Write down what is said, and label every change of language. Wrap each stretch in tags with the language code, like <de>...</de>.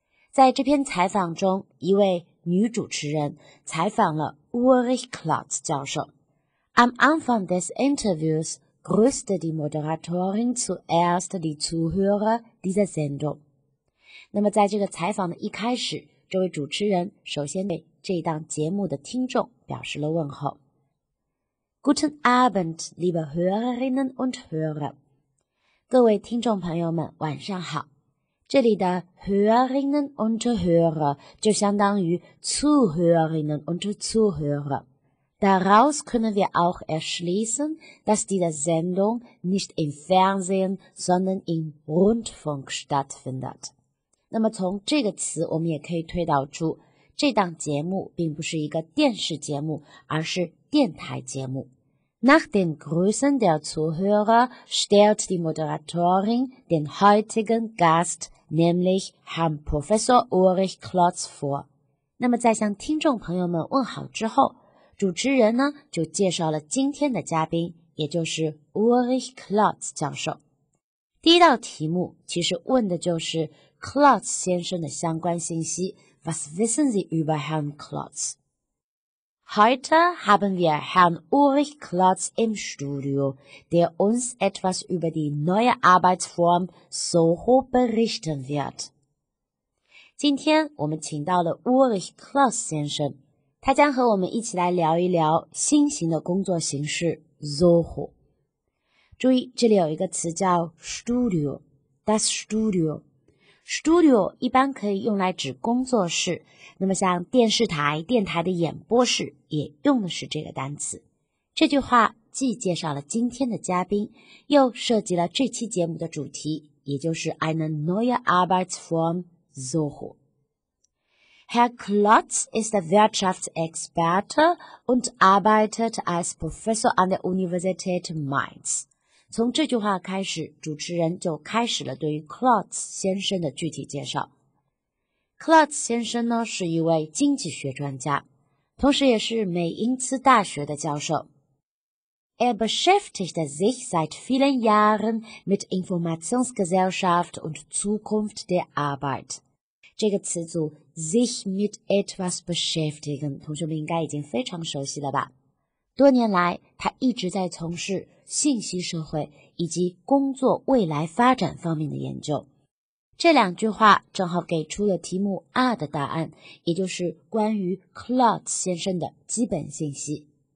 <zh>在这篇采访中，一位女主持人采访了 Ulrich Klotz 教授。</zh> <de>Am Anfang des Interviews grüßte die Moderatorin zuerst die Zuhörer dieser Sendung.</de> <zh>那么在这个采访的一开始，这位主持人首先对这一档节目的听众表示了问候。</zh> <de>Guten Abend, liebe Hörerinnen und Hörer.</de> <zh>各位听众朋友们，晚上好。这里的 Hörerinnen und Hörer 就相当于 Zuhörerinnen und Zuhörer.</zh> <de>Daraus können wir auch erschließen, dass diese Sendung nicht im Fernsehen, sondern im Rundfunk stattfindet.</de> <zh>那么从这个词我们也可以推导出，这档节目并不是一个电视节目，而是电台节目。</zh> <de>Nach den Grüßen der Zuhörer stellt die Moderatorin den heutigen Gast, nämlich Herrn Professor Ulrich Klotz vor.</de> <zh>那么在向听众朋友们问好之后，主持人呢就介绍了今天的嘉宾，也就是 Ulrich Klotz 教授。第一道题目其实问的就是 Klotz 先生的相关信息。</zh> <de>Was wissen Sie über Herrn Klotz? Heute haben wir Herrn Ulrich Klotz im Studio, der uns etwas über die neue Arbeitsform SOHO berichten wird.</de> <zh>今天我们请到了 Ulrich Klotz 先生，他将和我们一起来聊一聊新型的工作形式 SOHO。注意，这里有一个词叫 Studio, das Studio。 Studio 一般可以用来指工作室，那么像电视台、电台的演播室也用的是这个单词。这句话既介绍了今天的嘉宾，又涉及了这期节目的主题，也就是</zh> <de>eine neue Arbeitsform SOHO。 Herr Klotz ist Wirtschaftsexperte und arbeitet als Professor an der Universität Mainz。</de> <zh>从这句话开始，主持人就开始了对于 Klotz 先生的具体介绍。 Klotz 先生呢，是一位经济学专家，同时也是美因茨大学的教授。</zh> <de>beschäftigt sich seit vielen Jahren mit Informationsgesellschaft und Zukunft der Arbeit。</de> <zh>这个词组</zh> <de>sich mit etwas beschäftigen，</de> <zh>同学们应该已经非常熟悉了吧？多年来，他一直在从事信息社会以及工作未来发展方面的研究。这两句话正好给出了题目 R 的答案，也就是关于 Klotz 先生的基本信息。</zh>